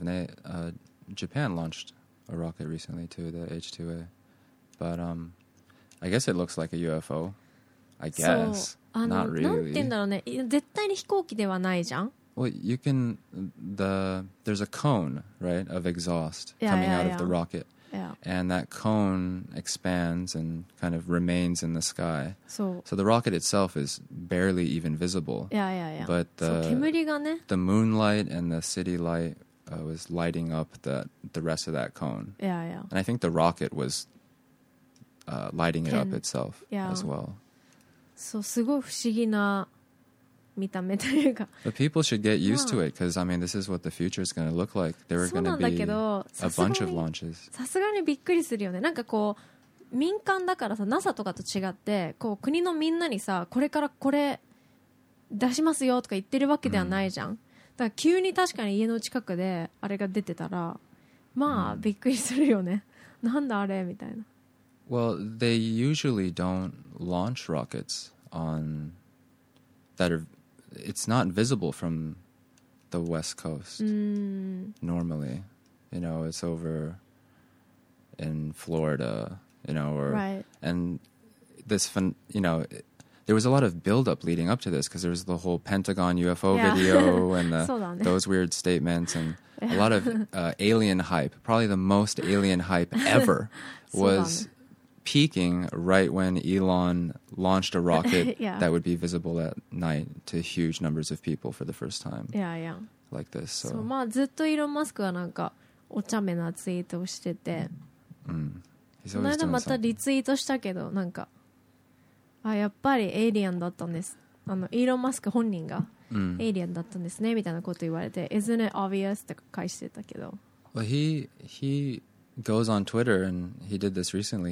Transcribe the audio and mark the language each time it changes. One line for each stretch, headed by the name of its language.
English: And they, Japan launched a rocket recently too, the H2A. But I guess it looks like a UFO. I guess. Not really.
Japanese: なんて言うんだろうね。絶対に飛行機ではないじゃん。
English: Well, you can... There's a cone, right, of exhaust coming out of the rocket. Yeah. And that cone expands and kind of remains in the sky. So, so the rocket itself is barely even visible. Yeah, yeah, yeah. But the,
Japanese: so, 煙がね、
English: the moonlight and the city light was lighting up the rest of that cone. Yeah, yeah. And I think the rocket was lighting it up itself as well.
Japanese: So, すごい不思議な見た目というか。
English: But people should get used to it, because I mean, this is what the future is going to look like. There are going to be a bunch of launches.
Japanese: さすがにびっくりするよね。なんかこう民間だからさ、NASA とかと違って、こう国のみんなにさ、これからこれ出しますよとか言ってるわけではないじゃん。だから急に確かに家の近くであれが出てたら、まあびっくりするよね。なんだあれみたいな。
English: Well, they usually don't launch rockets on that are It's not visible from the West Coast normally. You know, it's over in Florida, you know, or... Right. And this, you know, there was a lot of build-up leading up to this because there was the whole Pentagon UFO video and the, those weird statements and a lot of alien hype. Probably the most alien hype ever was peaking right when Elon launched a rocket that would be visible at night to huge numbers of people for the first time. Yeah, yeah. Like this. So,
Japanese: so まあずっとイーロン・マスクはなんかお茶目なツイートをしてて、うん、この間またリツイートしたけど、なんかあ、やっぱりエイリアンだったんです、あのイーロン・マスク本人がエイリアンだったんですね、うん、みたいなこと言われて、
English: Isn't it obvious?
Japanese: って返してたけど、
English: Well, he goes on Twitter, and he did this recently.